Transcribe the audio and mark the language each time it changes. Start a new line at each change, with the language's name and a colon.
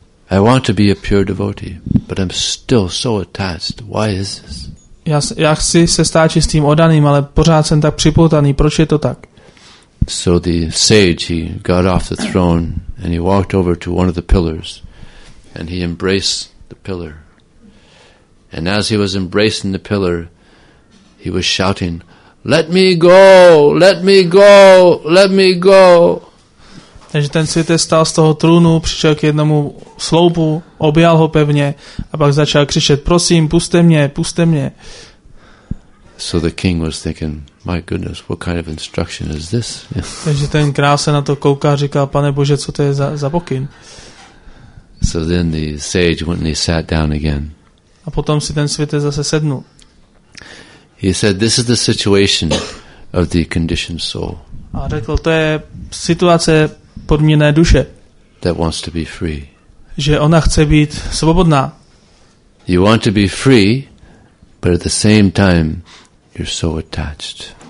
English: I want to be a pure devotee, but I'm still so attached. Why is this?
Czech: Já chci se stát čistým oddaným, ale pořád jsem tak připoutaný. Proč je to tak?
English: So the sage, he got off the throne and he walked over to one of the pillars and he embraced the pillar. And as he was embracing the pillar, he was shouting, "Let me go! Let me go! Let me go!"
Czech: Takže ten světec stál z toho trůnu, přišel k jednomu sloupu, objal ho pevně a pak začal křičet, prosím, puste mě, puste mě.
English: So the king was thinking, my goodness, what kind of instruction is this?
Czech: Takže ten král se na to kouká a říká, pane bože, co to je za pokyn?
English: So then the sage went and he sat down again.
Czech: A potom si ten světec zase sednul.
English: He said, this is the situation of the conditioned soul.
Czech: A řekl, to je situace podmíněné duše.
English: That wants to be free.
Czech: Že ona chce být svobodná.
English: You want to be free, but at the same time you're so attached.